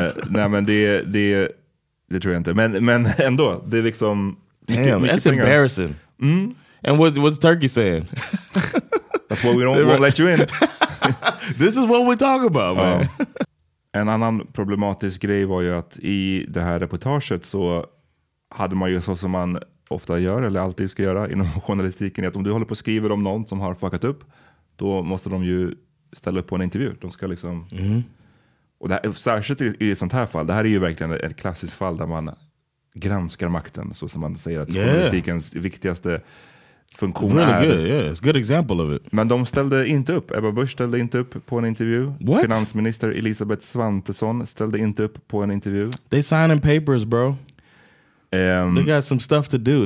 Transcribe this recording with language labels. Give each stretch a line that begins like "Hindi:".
Swedish: Nej, men det tror jag inte, men ändå, det är liksom
English: that's pengar. Embarrassing. Mm? And what's Turkey saying? That's why we won't let you in. This is what we're talking about, man.
Swedish: En annan problematisk grej var ju att i det här reportaget så hade man ju så som man ofta gör, eller alltid ska göra inom journalistiken, att om du håller på och skriver om någon som har fuckat upp, då måste de ju ställa upp på en intervju. De ska liksom... Och det här, särskilt i ett sånt här fall, det här är ju verkligen ett klassiskt fall där man granskar makten, så som man säger att journalistikens viktigaste funktion
English: really
Swedish: är...
English: Good, yeah. It's a good example of it.
Swedish: Men de ställde inte upp. Ebba Busch ställde inte upp på en intervju.
English: What?
Swedish: Finansminister Elisabeth Svantesson ställde inte upp på en intervju.
English: They signing papers, bro. They got some stuff to do.